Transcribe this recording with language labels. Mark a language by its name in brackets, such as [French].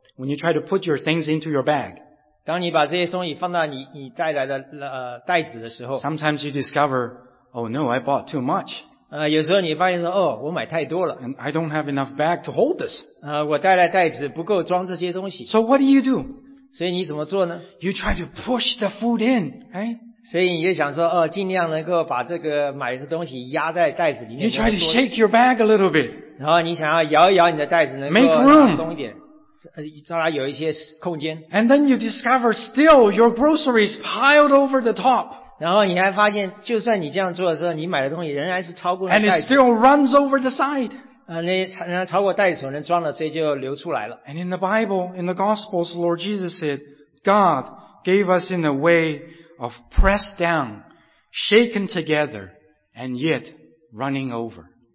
[English] when you try to put your things into your bag, [Chinese] 当你把这些东西放到你带来的袋子的时候， [English] sometimes you discover, "Oh no, I bought too much." [Chinese] 有时候你发现说，哦，我买太多了。 [English] And I don't have enough bag to hold this. [Chinese] 我带来袋子不够装这些东西。 [English] So what do you do? [Chinese] 所以你怎么做呢？ [English] You try to push the food in, right? [Chinese] 所以你就想说，尽量能够把这个买的东西压在袋子里面。 [English] You try to shake your bag a little bit. [Chinese] 然后你想要摇一摇你的袋子，能够松一点，让它有一些空间。 [English] And then you discover still your groceries piled over the top. [Chinese] 然后你还发现，就算你这样做的时候，你买的东西仍然是超过袋子。 [English] And it still runs over the side. [Chinese] 那超过袋子所能装的，所以就流出来了。 [English] And in the Bible, in the Gospels, Lord Jesus said, God gave us in a way of pressed down, shaken together, and yet running over.